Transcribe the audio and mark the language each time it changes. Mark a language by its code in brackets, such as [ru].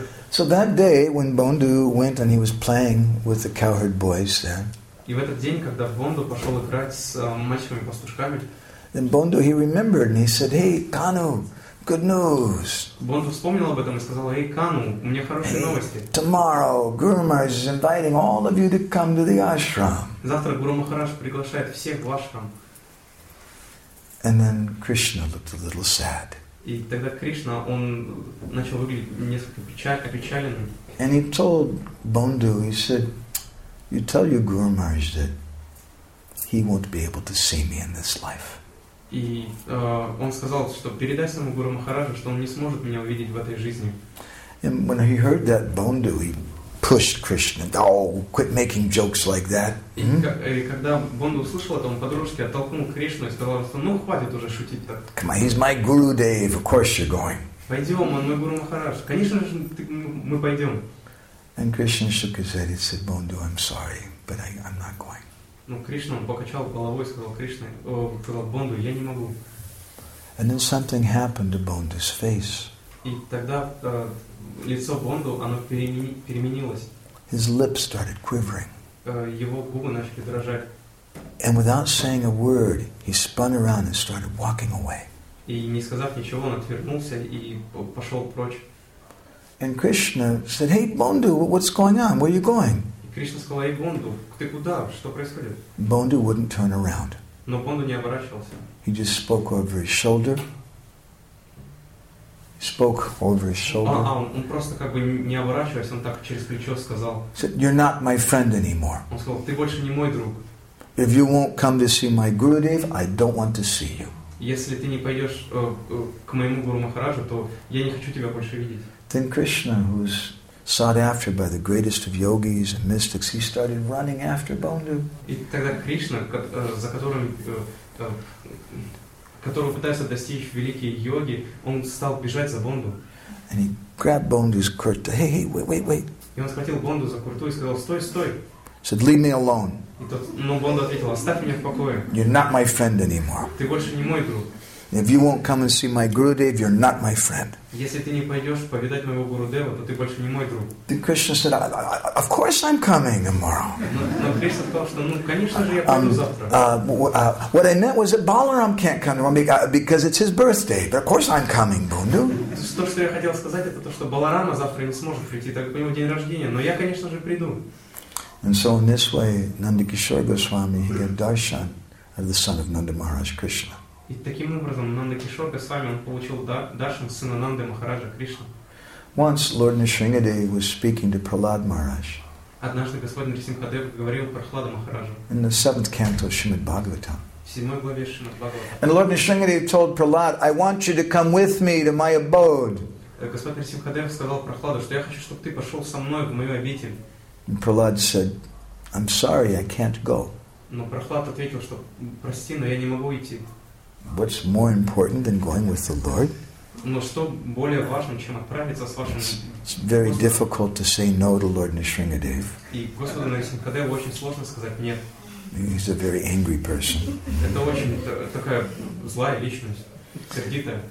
[en] So that day, when Bondu went and he was playing with the cowherd boys, then Bondu, he remembered and he said, "Hey, Kanu, good news." [ru] Бонду вспомнил об этом и сказал: "Эй, Кану, у меня хорошие новости." [en] Tomorrow, Guru Maharaj is inviting all of you to come to the ashram. [ru] Завтра Гуру Махарадж приглашает всех в ашрам. [en] And then Krishna looked a little sad. [ru] И тогда Кришна, он начал выглядеть несколько опечаленным. [en] And he told Bondu, he said, "You tell your Guru Maharaj that he won't be able to see me in this life." [ru] И он сказал, что передай своему Гуру Махараджу, что он не сможет меня увидеть в этой жизни. [en] And when he heard that, Bondu, he pushed Krishna. "Oh, quit making jokes like that." [ru] И когда Бонду услышал это, он по-дружески оттолкнул Кришну и сказал, что ну хватит уже шутить так. [en] "Come on, he's my Guru Dev. Of course you're going." [ru] Пойдем, он мой Гуру Махарадж. Конечно же, мы пойдем. [en] And Krishna shook his head. He said, "Bondu, I'm sorry, but I'm not going." [ru] Ну, Кришна, он покачал головой и сказал Кришне, сказал Бонду, я не могу. [en] And then something happened to Bondu's face. [ru] И тогда лицо Бонду, оно переменилось. [en] His lips started quivering. [ru] Его губы начали дрожать. [en] And without saying a word, he spun around and started walking away. [ru] И не сказав ничего, он отвернулся и пошел прочь. [en] And Krishna said, "Hey, Bondu, what's going on? Where are you going?" [ru] И Кришна сказал, "Эй, Бонду, ты куда? Что происходит?" [en] Bondu wouldn't turn around. [ru] Но Бонду не оборачивался. [en] He just spoke over his shoulder. He spoke over his shoulder. [ru] Он просто как бы не оборачиваясь, он так через плечо сказал. [en] Said, "You're not my friend anymore." [ru] Он сказал, "Ты больше не мой друг." [en] If you won't come to see my Gurudev, I don't want to see you. [ru] Если ты не пойдешь к моему Гуру Махараджу, то я не хочу тебя больше видеть. [en] Then Krishna, who was sought after by the greatest of yogis and mystics, he started running after Bondu. [ru] И тогда Кришна, за которым, которого пытаются достичь великие йоги, он стал бежать за Бонду. [en] And he grabbed Bondu's kurta. Hey, wait. [ru] И он схватил Бонду за курту и сказал, стой. [en] Said, leave me alone. [ru] Но Бонду ответил, оставь меня в покое. [en] You're not my friend anymore. [ru] Ты больше не мой друг. [en] If you won't come and see my Gurudev, you're not my friend. [ru] Если ты не пойдешь повидать моего Гурудева, то ты больше не мой друг. [en] Then Krishna said, "Of course I'm coming tomorrow." [ru] Но Кришна сказал, что ну конечно же я приду завтра. [en] What I meant was that Balaram can't come tomorrow because it's his birthday. But of course I'm coming, Bondu. [ru] То, что я хотел сказать, это то, что Баларама завтра не сможет прийти, так как у него день рождения. Но я, конечно же, приду. [en] And so in this way, Nandakishore Goswami he gave darshan of the son of Nanda Maharaj Krishna. [ru] И таким образом Нанда Кишор Госвами он получил даршан сына Нанды Махараджа Кришна. [en] Once Lord Nrisimhadev was speaking to Prahlad Maharaj. [ru] Однажды Господь Нрисимхадев говорил Прахлада Махараджа. [en] In the seventh canto of Shrimad Bhagavatam. [ru] В седьмой главе Шримад Бхагаватам. [en] And Lord Nrisimhadev told Prahlad, "I want you to come with me to my abode." [ru] Господь Нрисимхадев сказал Прахладу, что я хочу, чтобы ты пошел со мной в мою обитель. [en] And Prahlad said, "I'm sorry, I can't go." [ru] Но Прахлад ответил, что прости, но я не могу идти. [en] What's more important than going with the Lord? [ru] Но что более важно, чем отправиться с вашим? [en] It's very difficult to say no to Lord Nrisimhadev. [ru] И Господу Нрисимхадеву очень сложно сказать нет. [en] He's a very angry person. [ru] Это очень такая злая личность, сердитая.